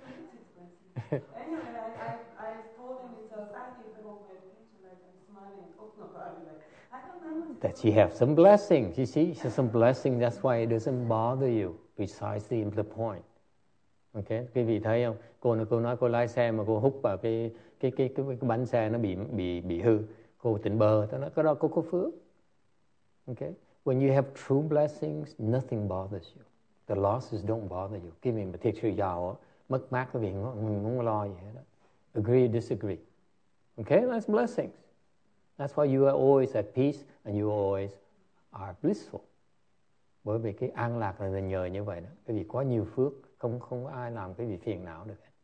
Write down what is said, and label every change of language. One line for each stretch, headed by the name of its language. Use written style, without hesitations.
English: Anyway, I told him it's a fact. He smiling. That you have some blessings, you see? It's some blessing, that's why it doesn't bother you, precisely in the point.
Vietnamese: Okay, quý vị thấy không? Cô nói cô lái xe mà cô hút vào cái bánh xe nó bị hư. Cô tỉnh bơ, ta nói cái đó cô có phước.
English: Okay, when you have true blessings, nothing bothers you. The losses don't bother you.
Vietnamese: Khi mình mà thiệt sự giàu, mất mát cái việc mình muốn lo gì hết.
English: Agree or disagree? Okay, that's blessings. That's why you are always at peace and you always are blissful.
Vietnamese: Bởi vì cái an lạc là nhờ như vậy đó. Bởi vì có nhiều phước, không có ai làm cái gì phiền não được.